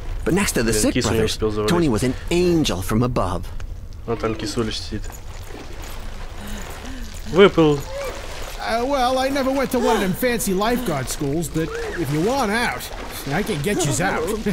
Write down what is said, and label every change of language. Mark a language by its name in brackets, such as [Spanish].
[English] But next to the sick brothers, Tony was an angel from above. [Russian] Вон там кисуля сидит. Выпал. [English] I never went to one of them fancy lifeguard schools, but if you want out, I can get you out.